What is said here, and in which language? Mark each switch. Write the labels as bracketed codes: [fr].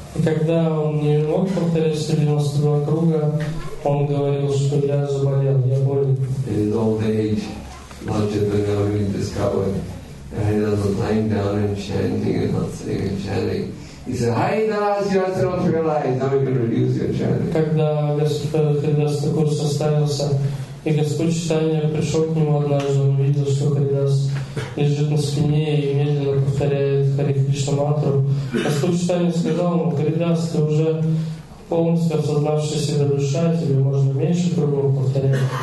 [ru] And когда он не мог повторять 192 круга, он говорил, что я заболел, я болен. [en] In his old age, Lord Chaitanya Mahaprabhu discovered that Haridas was lying down and chanting and not sitting and chanting. He said, Haridas, you are not realized, now we can reduce your chanting. [ru] Когда Господь Харидас Такур составился, и Господь Чайтанья пришел к нему однажды, он увидел, что Харидас лежит на спине и медленно повторяет Хари Кришна мантру. Господь Чайтанья сказал ему, Харидас, ты уже полностью осознавшись себя душа, тебе можно меньше кругов повторять.